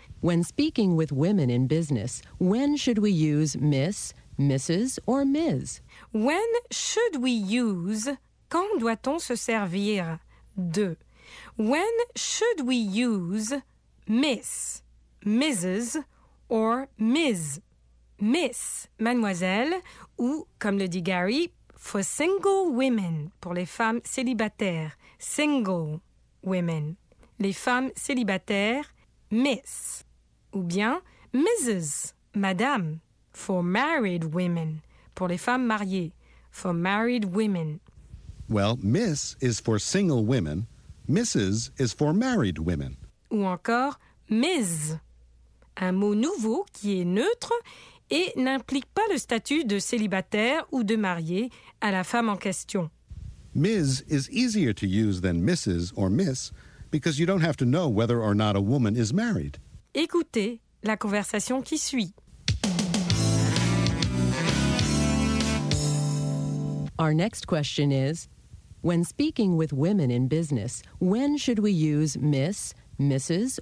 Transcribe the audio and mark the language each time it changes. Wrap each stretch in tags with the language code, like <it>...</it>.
<en>When speaking with women in business, when should we use Miss, Mrs. or Ms? When should we use,</en> <fr>quand doit-on se servir de?</fr> <en>When should we use Miss, Mrs. or Ms?</en> <fr>Miss, mademoiselle, ou, comme le dit Gary,</fr> <en>for single women,</en> <fr>pour les femmes célibataires.</fr> <en>Single women,</en> <fr>les femmes célibataires, miss. Ou bien, Mrs., madame,</fr> <en>for married women,</en> <fr>pour les femmes mariées.</fr> <en>For married women. Well, miss is for single women, Mrs. is for married women.</en> <fr>Ou encore, Ms. Un mot nouveau qui est neutre et n'implique pas le statut de célibataire ou de marié à la femme en question.</fr> <en>Ms. is easier to use than Mrs. or Miss because you don't have to know whether or not a woman is married.</en> <fr>Écoutez la conversation qui suit.</fr> <en>Our next question is, when speaking with women in business, when should we use Miss, Mrs.</en>